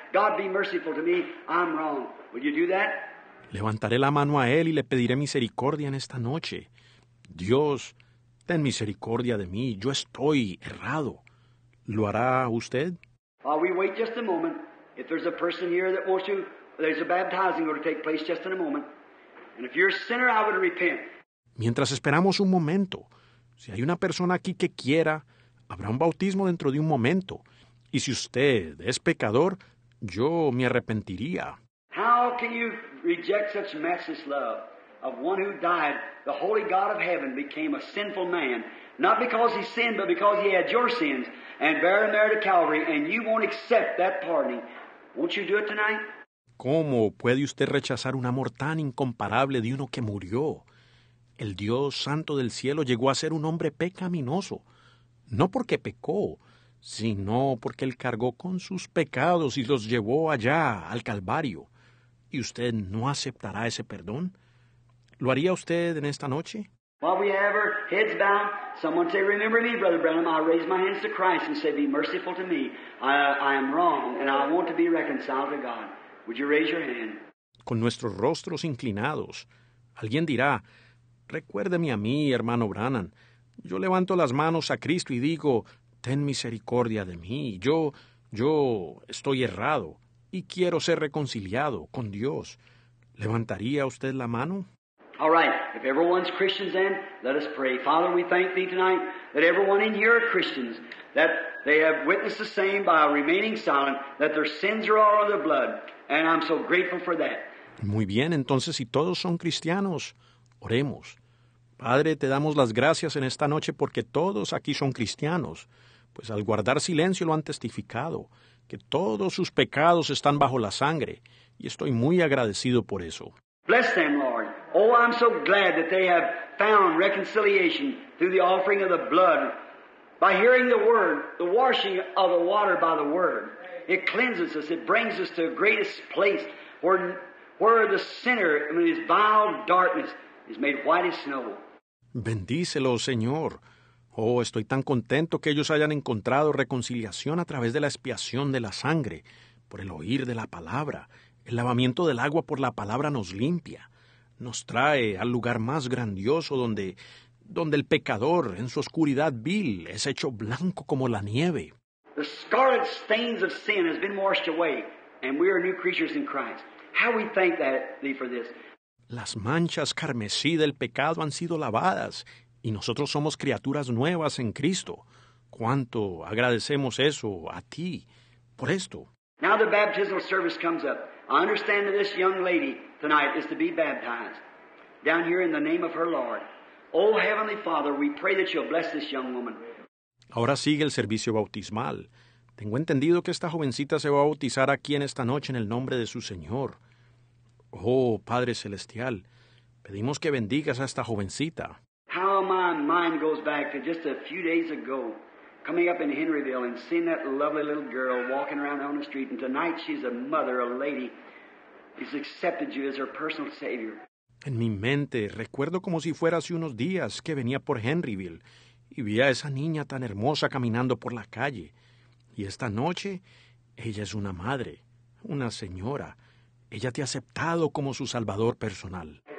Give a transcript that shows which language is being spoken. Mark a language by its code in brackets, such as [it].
[en] God, be merciful to me. I'm wrong. Will you do that? [es] Levantaré la mano a él y le pediré misericordia en esta noche. Dios, ten misericordia de mí. Yo estoy errado. ¿Lo hará usted? [en] While we wait just a moment, if there's a person here that wants to, there's a baptizing going to take place just in a moment. And if you're a sinner, I would repent. [es] Mientras esperamos un momento, si hay una persona aquí que quiera, habrá un bautismo dentro de un momento. Y si usted es pecador, yo me arrepentiría. [en] How can you reject such matchless love of one who died? The holy God of heaven became a sinful man, not because he sinned, but because he had your sins and bear them there to Calvary, and you won't accept that pardoning. Won't you do it tonight? [es] ¿Cómo puede usted rechazar un amor tan incomparable de uno que murió? El Dios Santo del cielo llegó a ser un hombre pecaminoso, no porque pecó, sino porque él cargó con sus pecados y los llevó allá, al Calvario. ¿Y usted no aceptará ese perdón? ¿Lo haría usted en esta noche? [en] While we have our heads bowed, someone say, "Remember me, Brother Branham." I raise my hands to Christ and say, "Be merciful to me. I am wrong and I want to be reconciled to God." Would you raise your hand? [es] Con nuestros rostros inclinados, alguien dirá, "Recuérdeme a mí, hermano Branham. Yo levanto las manos a Cristo y digo, ten misericordia de mí. Yo estoy errado y quiero ser reconciliado con Dios." ¿Levantaría usted la mano? [en] All right. If everyone's Christians then, let us pray. Father, we thank thee tonight that everyone in here are Christians, that they have witnessed the same by remaining silent, that their sins are all of their blood. And I'm so grateful for that. [es] Muy bien. Entonces, si todos son cristianos, oremos. Padre, te damos las gracias en esta noche porque todos aquí son cristianos, pues al guardar silencio lo han testificado, que todos sus pecados están bajo la sangre, y estoy muy agradecido por eso. [en] Bless them, Lord. Oh, I'm so glad that they have found reconciliation through the offering of the blood, by hearing the word, the washing of the water by the word. It cleanses us, it brings us to a greatest place where the sinner in his vile darkness is made white as snow. [es] Bendícelo, Señor. Oh, estoy tan contento que ellos hayan encontrado reconciliación a través de la expiación de la sangre, por el oír de la palabra. El lavamiento del agua por la palabra nos limpia. Nos trae al lugar más grandioso donde el pecador, en su oscuridad vil, es hecho blanco como la nieve. [en] The scarlet stains of sin has been washed away, and we are new creatures in Christ. How we thank thee for this. [es] Las manchas carmesí del pecado han sido lavadas y nosotros somos criaturas nuevas en Cristo. ¿Cuánto agradecemos eso a ti por esto? [en] Now the baptismal service comes up. I understand that this young lady tonight is to be baptized down here in the name of her Lord. Oh, Heavenly Father, we pray that you'll bless this young woman. [es] Ahora sigue el servicio bautismal. Tengo entendido que esta jovencita se va a bautizar aquí en esta noche en el nombre de su Señor. Oh, Padre Celestial, pedimos que bendigas a esta jovencita. [en] How my mind goes back to just a few days ago, coming up in Henryville and seeing that lovely little girl walking around on the street, and tonight she's a mother, a lady, who's accepted you as her personal Savior. [es] En mi mente, recuerdo como si fuera hace unos días que venía por Henryville y vi a esa niña tan hermosa caminando por la calle. Y esta noche, ella es una madre, una señora. Ella te ha aceptado como su salvador personal.